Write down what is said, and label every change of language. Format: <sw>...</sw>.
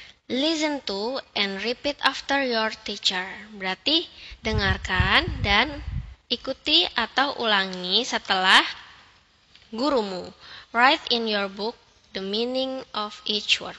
<en>Listen to and repeat after your teacher.</en> <id>Berarti dengarkan dan ikuti atau ulangi setelah gurumu.</id> <en>Write in your book the meaning of each word.</en>